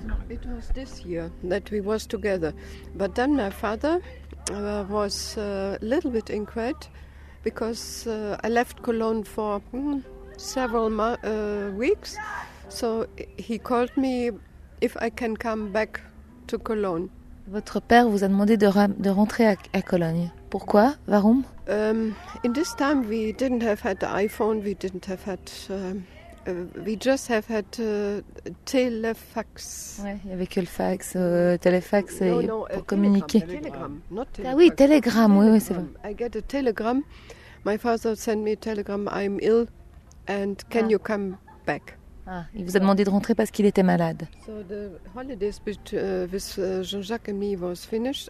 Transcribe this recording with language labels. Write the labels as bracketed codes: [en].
[en] It was this year that we was together. But then my father was a little bit inquiet because I left Cologne for several weeks. So he called me if I can come back to Cologne. [fr] Votre père vous a demandé de rentrer à Cologne. Pourquoi? [de] Warum? [en] In this time we didn't have had iPhone, we didn't have had... we just have had telefax. [fr] Ouais, avec le fax, téléfax et [en] no, [fr] pour communiquer. [en] Telegram, not [fr] telefax. Ah oui, telegram, oui, oui, c'est bon. [en] I get a telegram. My father sent me a telegram. I'm ill, and can you come back? [fr] Ah, il vous a demandé de rentrer parce qu'il était malade. [en] So the holidays with Jean-Jacques and me was finished.